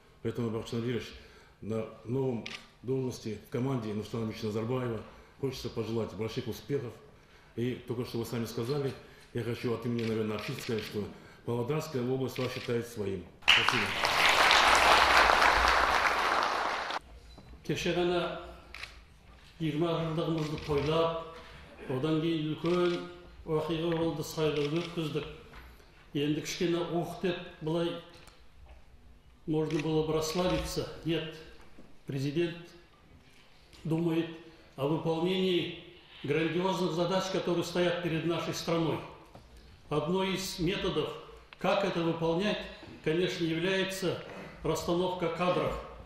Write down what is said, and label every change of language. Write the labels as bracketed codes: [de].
[ru] Поэтому, Бахаджан Абьерович, на новом должности в команде Нурсултана Абишевича Назарбаева хочется пожелать больших успехов. И только что вы сами сказали, я хочу от имени, наверное, общины сказать, что Павлодарская область вас считает своим. Спасибо. [kk] Кеше ғана 20 жылдығымызды тойлап, одан кейін үлкен оқиға болды, сайлау өткіздік. Енді кішкене оқ деп былай [ru] можно было бы расслабиться. Нет, президент думает о выполнении грандиозных задач, которые стоят перед нашей страной. Одной из методов, как это выполнять, конечно, является расстановка кадров.